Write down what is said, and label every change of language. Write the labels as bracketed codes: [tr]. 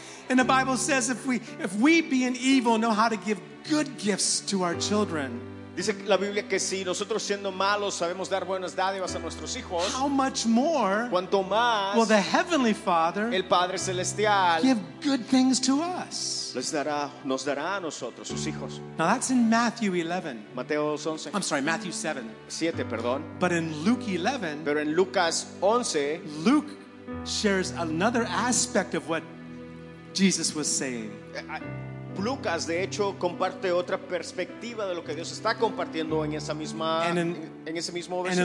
[en] And the Bible says if we being evil know how to give good gifts to our children. [es] Dice la Biblia que si nosotros siendo malos sabemos dar buenas dádivas a nuestros hijos, [en] how much more, [es] cuanto más, [en] will the Heavenly Father, [es] el Padre Celestial, [en] give good things to us. [es] Les dará, nos dará a nosotros, sus hijos. [en] Now that's in Matthew 11. [es] Mateo 11. [en] I'm sorry, Matthew 7. [es] 7, perdón. [en] But in Luke 11, [es] pero en Lucas 11, [en] Luke shares another aspect of what Jesus was saying. [es] Lucas de hecho comparte otra perspectiva de lo que Dios está compartiendo en esa misma en ese mismo versículo.